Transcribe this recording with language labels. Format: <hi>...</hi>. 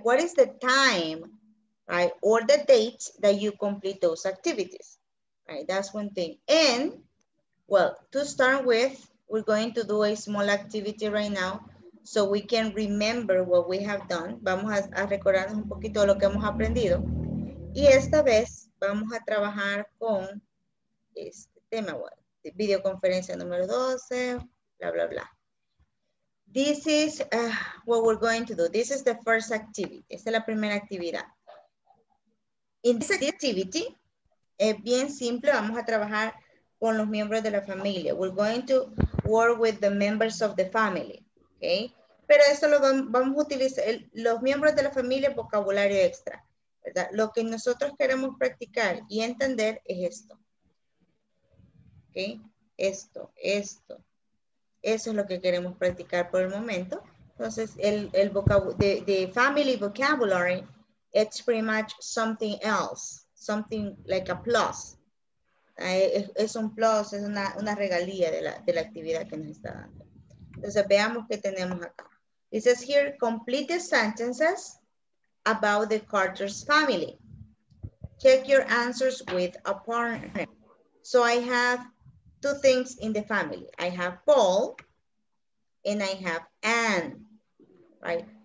<en>What is the time, right? Or the date that you complete those activities, right? That's one thing. And, well, to start with, we're going to do a small activity right now so we can remember what we have done.</en> <es>Vamos a recordarnos un poquito lo que hemos aprendido. Y esta vez vamos a trabajar con este tema, bueno. Videoconferencia número 12, bla, bla, bla.</es> <en>This is what we're going to do. This is the first activity.</en> <es>Esta es la primera actividad.</es> <en>In this activity,</en> <es>es bien simple. Vamos a trabajar con los miembros de la familia.</es> <en>We're going to work with the members of the family.</en> <es>Okay? Pero eso lo vamos a utilizar. Los miembros de la familia, vocabulario extra. ¿Verdad? Lo que nosotros queremos practicar y entender es esto. Okay. Esto. Eso es lo que queremos practicar por el momento. Entonces, el</es> <en>the family vocabulary, it's pretty much something else. Something like a plus.</en> <es>Es un plus, es una regalía de la actividad que nos está dando. Entonces, veamos qué tenemos acá.</es> <en>It says here, complete the sentences about the Carter's family. Check your answers with a partner. So, I have two things in the family. I have Paul and I have Anne, right?</en>